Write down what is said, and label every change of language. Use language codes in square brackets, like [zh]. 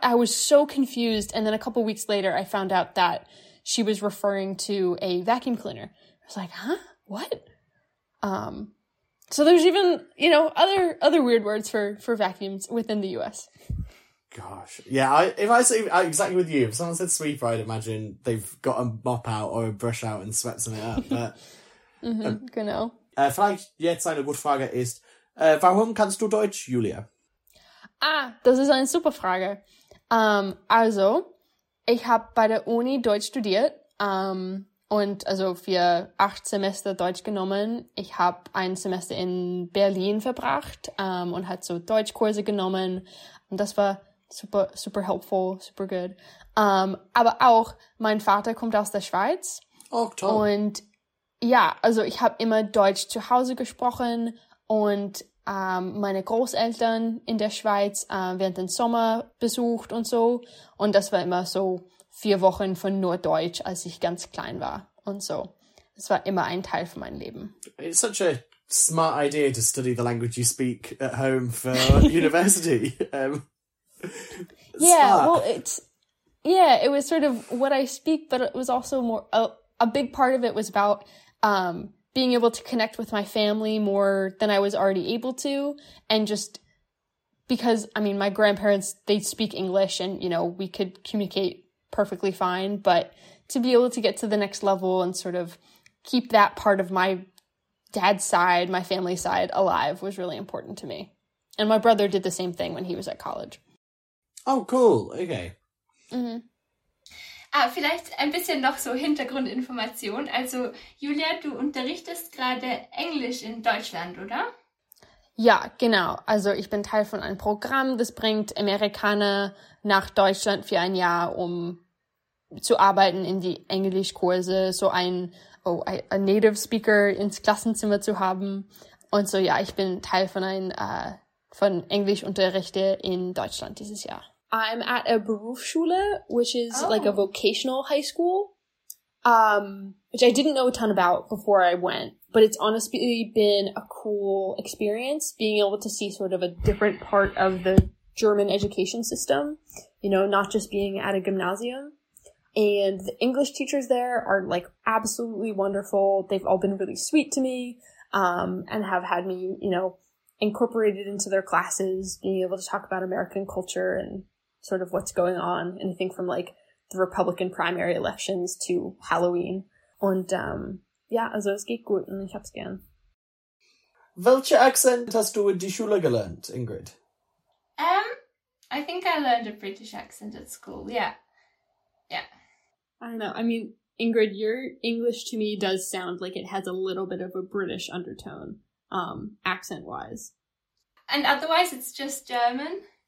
[en] I was so confused. And then a couple weeks later, I found out that she was referring to a vacuum cleaner. I was like, huh? What? So there's even, you know, other weird words for vacuums within the U.S. Gosh. Yeah, exactly with you. If someone said sweeper, I'd imagine they've got a mop out or a brush out and swept something up. But, [de] genau. Vielleicht jetzt eine gute Frage ist, warum kannst du Deutsch, Julia? Ah, das ist eine super Frage. Also, ich habe bei der Uni Deutsch studiert. Und also für 8 Semester Deutsch genommen. Ich habe ein Semester in Berlin verbracht und hat so Deutschkurse genommen. Und das war [en] super, super helpful, super good. [de] Aber auch, mein Vater kommt aus der Schweiz. Oh, toll. Und ja, also ich habe immer Deutsch zu Hause gesprochen. Und meine Großeltern in der Schweiz während den Sommer besucht und so. Und das war immer so 4 Wochen von nur Deutsch, als ich ganz klein war und so. Das war immer ein Teil von meinem Leben. [en] It's such a smart idea to study the language you speak at home for university. It was sort of what I speak, but it was also more, a big part of it was about being able to connect with my family more than I was already able to, and just because, I mean, my grandparents, they speak English and, you know, we could communicate perfectly fine, but to be able to get to the next level and sort of keep that part of my dad's side, my family side, alive was really important to me. And my brother did the same thing when he was at college. Oh, cool. Okay. Mm-hmm. [de] Ah, vielleicht ein bisschen noch so Hintergrundinformation. Also, Julia, du unterrichtest gerade Englisch in Deutschland, oder? Ja, genau. Also ich bin Teil von einem Programm, das bringt Amerikaner nach Deutschland für ein Jahr, um zu arbeiten in die Englischkurse, so ein a Native Speaker ins Klassenzimmer zu haben. Und so, ja, ich bin Teil von von Englischunterrichte in Deutschland dieses Jahr. [en] I'm at a Berufsschule, which is like a vocational high school, which I didn't know a ton about before I went. But it's honestly been a cool experience being able to see sort of a different part of the German education system, you know, not just being at a gymnasium. And the English teachers there are like absolutely wonderful. They've all been really sweet to me, and have had me, you know, incorporated into their classes, being able to talk about American culture and sort of what's going on, anything from like the Republican primary elections to Halloween. [de] And, ja, also es geht gut und ich hab's gern. Welche Akzent hast du in die Schule gelernt, Ingrid? [en] I think I learned a British accent at school, yeah. Yeah. I don't know, I mean, Ingrid, your English to me does sound like it has a little bit of a British undertone, accent-wise. And otherwise it's just German?